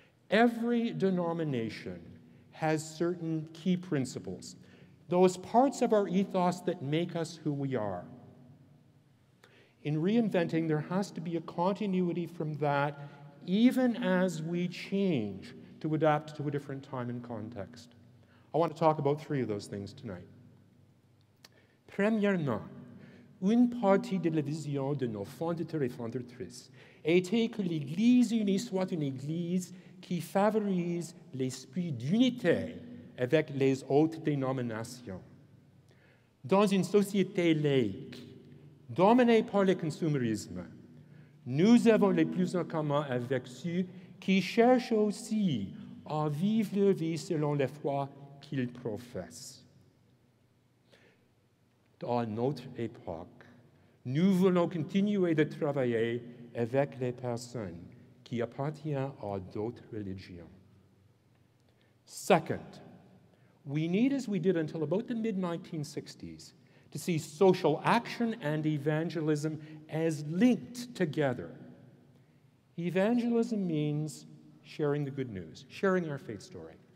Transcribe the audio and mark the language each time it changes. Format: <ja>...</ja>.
<en>Every denomination has certain key principles, those parts of our ethos that make us who we are. In reinventing, there has to be a continuity from that, even as we change to adapt to a different time and context. I want to talk about three of those things tonight.</en> <fr>Premièrement, une partie de la vision de nos fondateurs et fondatrices était que l'Église unie soit une Église qui favorise l'esprit d'unité avec les autres dénominations. Dans une société laïque, dominée par le consumérisme, nous avons le plus en commun avec ceux qui cherchent aussi à vivre leur vie selon la foi qu'ils professent. Dans notre époque, nous voulons continuer de travailler avec les personnes qui appartiennent à d'autres religions.</fr> <en>Second, we need, as we did until about the mid-1960s, to see social action and evangelism as linked together. Evangelism means sharing the good news, sharing our faith story.</en>